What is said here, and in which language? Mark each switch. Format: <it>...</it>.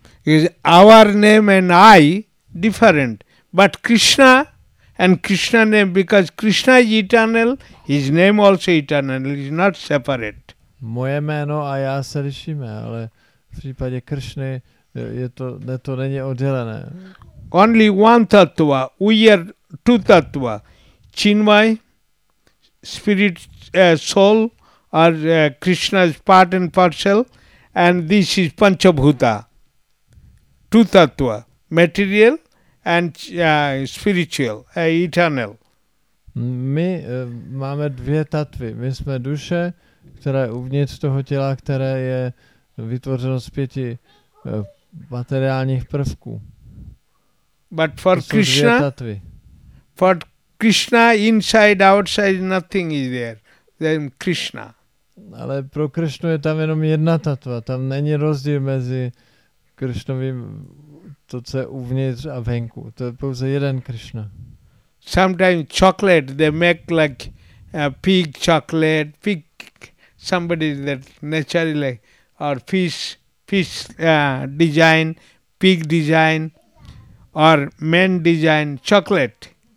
<en>Is our name and I different, but Krishna and Krishna name, because Krishna is eternal, his name also eternal, is not separate.</en> <cs>Moje jméno a já se lišíme, ale v případě Kršny je to, ne, to není oddělené.</cs> <en>Only one tattva, we are two tattva, Chinmay, spirit, soul, or Krishna's part and parcel, and this is Panchabhuta, two tattva, material and spiritual, eternal.</en> <cs>My máme dvě tattvy, my jsme duše, která je uvnitř toho těla, které je vytvořeno z pěti materiálních prvků.</cs> <en>But for Krishna, for Krishna inside, outside, nothing is there. Then Krishna.</en> <cs>Ale pro Krishnu je tam jenom jedna tatva. Tam není rozdíl mezi Krishnovým, to, co je uvnitř a venku. To je pouze jeden Krishna.</cs> <en>Sometimes chocolate, they make like pig chocolate, pig. Somebody that naturally or fish design, pig design, or man design, chocolate.</en>